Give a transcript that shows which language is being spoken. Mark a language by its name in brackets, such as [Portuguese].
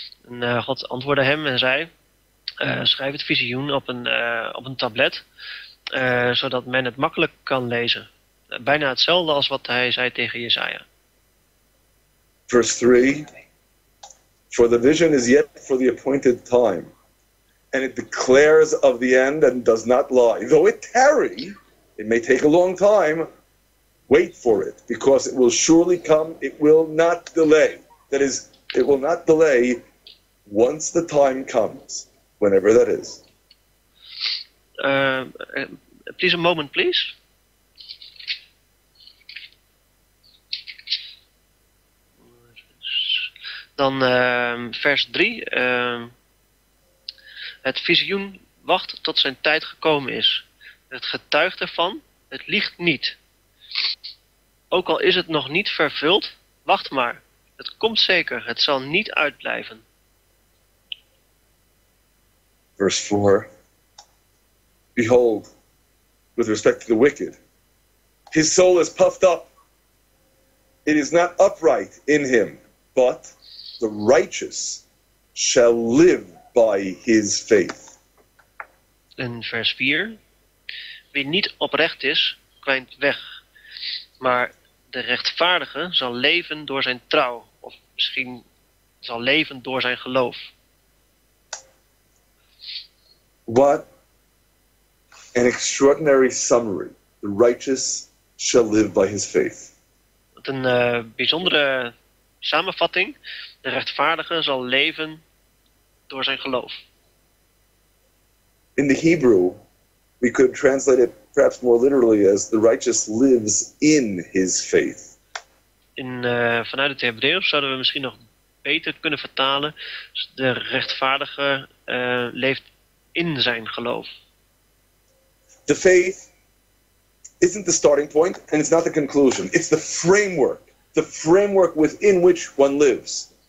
[Dutch] En God antwoordde hem en zei, schrijf het visioen op een tablet, zodat men het makkelijk kan lezen. Bijna hetzelfde als wat hij zei tegen Jesaja. [English] Verse 3. For the vision is yet for the appointed time. And it declares of the end and does not lie. Though it tarry, it may take a long time, wait for it, because it will surely come, it will not delay. That is, it will not delay once the time comes, whenever that is. Please, a moment, please. [Dutch] Dan vers 3... Het visioen wacht tot zijn tijd gekomen is. Het getuigt ervan, het liegt niet. Ook al is het nog niet vervuld, wacht maar. Het komt zeker, het zal niet uitblijven. [English] Verse 4. Behold, with respect to the wicked, his soul is puffed up. It is not upright in him, but the righteous shall live by his faith. [Dutch] In vers 4. Wie niet oprecht is, kwijnt weg. Maar de rechtvaardige zal leven door zijn trouw. Of misschien zal leven door zijn geloof. [English] What an extraordinary summary. The righteous shall live by his faith. [Dutch] Wat een bijzondere samenvatting. De rechtvaardige zal leven door zijn geloof. [English] In the Hebrew, we could translate it perhaps more literally as the righteous lives in his faith. [Dutch] Vanuit het Hebreeuws zouden we misschien nog beter kunnen vertalen. De rechtvaardige leeft in zijn geloof. [English] The faith isn't the starting point and it's not the conclusion. It's the framework. The framework within which one lives.